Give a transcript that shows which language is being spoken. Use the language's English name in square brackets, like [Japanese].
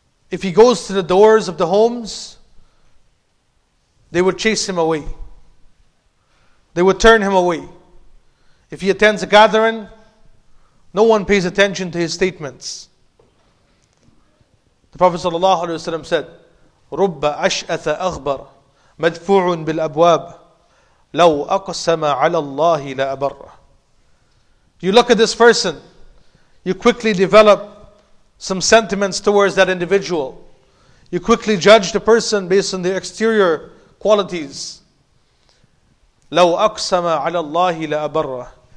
[English] If he goes to the doors of the homes, they would chase him away. They would turn him away. If he attends a gathering, no one pays attention to his statements. [Arabic] The Prophet sallallahu alaihi wasallam said, رُبَّ أَشْأَثَ أَغْبَرَ مَدْفُوعٌ بِالْأَبْوَابِ لَوْ أَقْسَمَ عَلَى اللَّهِ لَأَبَرَّ. [English] You look at this person, you quickly develop some sentiments towards that individual. You quickly judge the person based on the exterior qualities. [Arabic] لَوْ أَقْسَمَ عَلَى اللَّهِ لَأَبَرَّ.